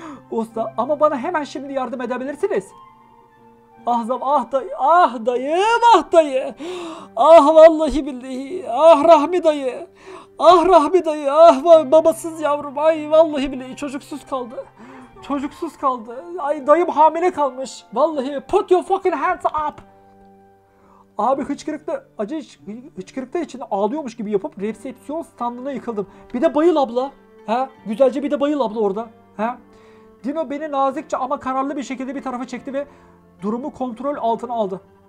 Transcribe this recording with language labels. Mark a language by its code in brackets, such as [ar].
[tr] Usta, ama bana hemen şimdi yardım edebilirsiniz. Ah zav, ah dayı, ah dayım, ah dayı. Ah vallahi billahi, ah rahmi dayı. Ah rahmi dayı, ah babasız yavrum, ay vallahi billahi çocuksuz kaldı. Çocuksuz kaldı. Ay dayım hamile kalmış. [en] Vallahi put your fucking hands up. [tr] Abi hıçkırıklı, acı hıçkırıklı için ağlıyormuş gibi yapıp resepsiyon standına yıkıldım. Bir de bayıl abla. He? Güzelce bir de bayıl abla orada. He? Dino beni nazikçe ama kararlı bir şekilde bir tarafa çekti ve durumu kontrol altına aldı.